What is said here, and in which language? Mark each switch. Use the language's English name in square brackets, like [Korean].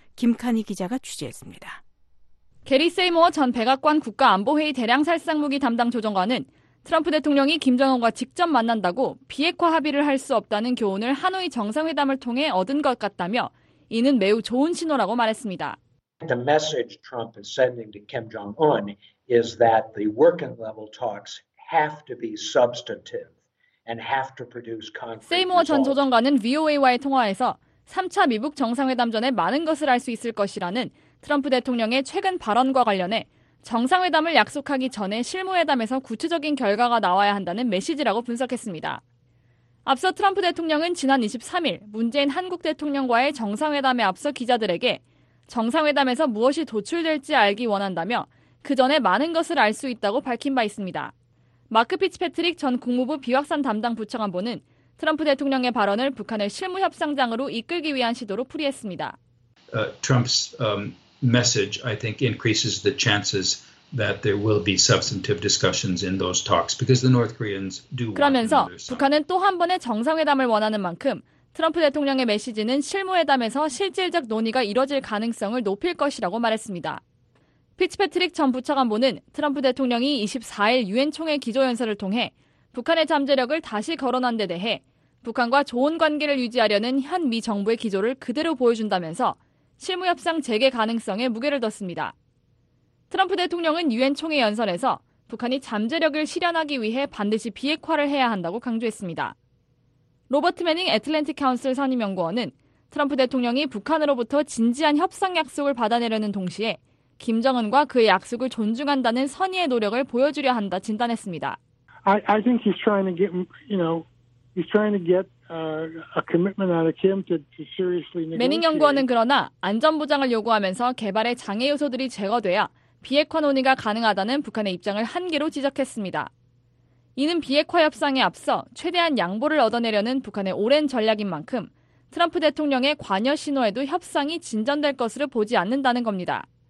[Korean] 김카니 기자가 취재했습니다. 게리 세이모어 전 백악관 국가안보회의 대량살상무기 담당 조정관은 트럼프 대통령이 김정은과 직접 만난다고 비핵화 합의를 할 수 없다는 교훈을 하노이 정상회담을 통해 얻은 것 같다며 이는 매우 좋은 신호라고 말했습니다. [English] The message Trump is sending to Kim Jong-un is that the working level talks have to be substantive and have to produce concrete. [Korean] 세이모어 전 조정관은 VOA와의 통화에서 3차 미북 정상회담 전에 많은 것을 알 수 있을 것이라는 트럼프 대통령의 최근 발언과 관련해 정상회담을 약속하기 전에 실무회담에서 구체적인 결과가 나와야 한다는 메시지라고 분석했습니다. 앞서 트럼프 대통령은 지난 23일 문재인 한국 대통령과의 정상회담에 앞서 기자들에게 정상회담에서 무엇이 도출될지 알기 원한다며 그 전에 많은 것을 알 수 있다고 밝힌 바 있습니다. 마크 피츠패트릭 전 국무부 비확산 담당 부처관보는 트럼프 대통령의 발언을 북한을 실무 협상장으로 이끌기 위한 시도로 풀이했습니다. [English] Trump's message, I think, increases the chances that there will be substantive discussions in those talks because the North Koreans do want. [Korean] 그러면서 북한은 또 한 번의 정상회담을 원하는 만큼 트럼프 대통령의 메시지는 실무회담에서 실질적 논의가 이뤄질 가능성을 높일 것이라고 말했습니다. 피츠패트릭 전 부차관보는 트럼프 대통령이 24일 유엔 총회 기조연설을 통해 북한의 잠재력을 다시 거론한 데 대해 북한과 좋은 관계를 유지하려는 현 미 정부의 기조를 그대로 보여준다면서 실무협상 재개 가능성에 무게를 뒀습니다. 트럼프 대통령은 유엔 총회 연설에서 북한이 잠재력을 실현하기 위해 반드시 비핵화를 해야 한다고 강조했습니다. 로버트 매닝 애틀랜틱 카운슬 선임연구원은 트럼프 대통령이 북한으로부터 진지한 협상 약속을 받아내려는 동시에 김정은과 그의 약속을 존중한다는 선의의 노력을 보여주려 한다 진단했습니다. [English] I think he's trying to get, you know, he's trying to get a commitment out of Kim to seriously negotiate. [Korean] 매닝 연구원은 그러나 안전보장을 요구하면서 개발의 장애 요소들이 제거돼야 비핵화 논의가 가능하다는 북한의 입장을 한계로 지적했습니다. 이는 비핵화 협상에 앞서 최대한 양보를 얻어내려는 북한의 오랜 전략인 만큼 트럼프 대통령의 관여 신호에도 협상이 진전될 것으로 보지 않는다는 겁니다.